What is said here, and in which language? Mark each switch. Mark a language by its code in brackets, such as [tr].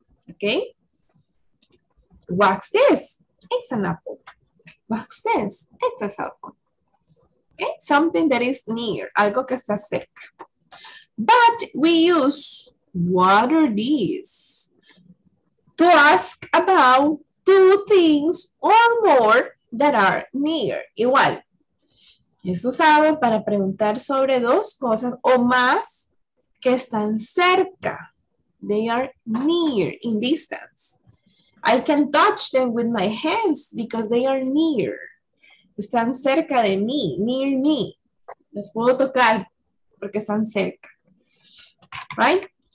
[en] Okay? What's this? It's an apple. What's this? It's a cell phone. Okay? Something that is near. [es] Algo que está cerca. [en] But we use what are these to ask about two things or more that are near. [es] Igual. Es usado para preguntar sobre dos cosas o más que están cerca. [en] They are near, in distance. I can touch them with my hands because they are near. [es] Están cerca de mí, [en] near me. [es] Los puedo tocar porque están cerca. [en] Right?